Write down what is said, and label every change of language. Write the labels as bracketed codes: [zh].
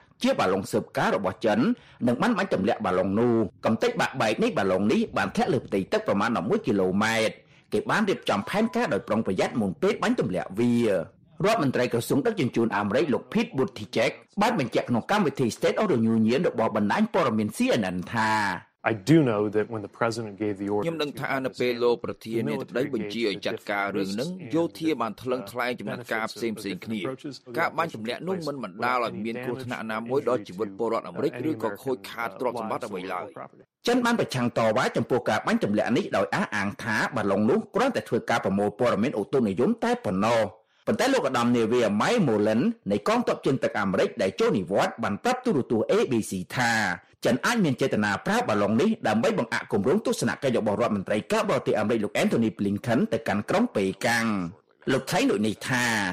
[km] បាឡុងស៊ើបការរបស់ចិននិងបានបាញ់ទម្លាក់បាឡុងនោះកំទេចបាក់បែកនេះបាឡុងនេះបានធ្លាក់លើផ្ទៃទឹកប្រមាណ11គីឡូម៉ែត្រគេបានរៀបចំផែនការដោយប្រុងប្រយ័ត្នមុនពេលបាញ់ទម្លាក់វារដ្ឋមន្ត្រីក្រសួងដឹកជញ្ជូនអាមេរិកលោក Pete Buttigieg បានបញ្ជាក់ក្នុងកម្មវិធី State of the Union របស់បណ្ដាញព័ត៌មាន CNN ថា [en] I do know that when the president gave the order [km] ខ្ញុំដឹងថានៅពេលលោកប្រធាននាយកដីបញ្ជាឲ្យចាត់ការរឿងនឹងយោធាបានថ្លឹងថ្លែងចំណាត់ការផ្សេងផ្សេងគ្នាការបាញ់ទម្លាក់នោះមិនបណ្ដាលឲ្យមានគ្រោះថ្នាក់ណាមួយដល់ជីវិតពលរដ្ឋអាមេរិកឬក៏ខូចខាតទ្រព្យសម្បត្តិអ្វីឡើយ ចិនបានប្រឆាំងតវ៉ាចំពោះការបាញ់ទម្លាក់នេះដោយអះអាងថាបាឡុងនោះគ្រាន់តែធ្វើការប្រមូលព័ត៌មានឧតុនិយមតែប៉ុណ្ណោះប៉ុន្តែលោកឧត្តមនាវីម៉ៃមូលិននៃកងទ័ពជើងទឹកអាមេរិកដែលចូលនិវត្តន៍បានប្រាប់ទូរទស្សន៍ ABC ថាចិនអាចមានចេតនាប្រើបាឡុងនេះដើម្បីបង្អាក់គម្រោងទស្សនកិច្ចរបស់រដ្ឋមន្ត្រីការបរទេសអាមេរិកលោកអែនតូនីប្លីនខិនទៅកាន់ក្រុងប៉េកាំងលោកថៃដូចនេះថា